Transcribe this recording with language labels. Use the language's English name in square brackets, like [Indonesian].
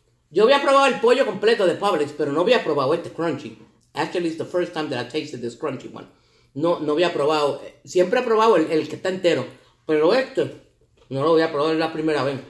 [Spanish] Yo había probado el pollo completo de Publix, pero no había probado este crunchy. [English] Actually, it's the first time that I tasted this crunchy one. [Spanish] No había probado. Siempre he probado el que está entero. Pero este, no lo voy a probar la primera vez.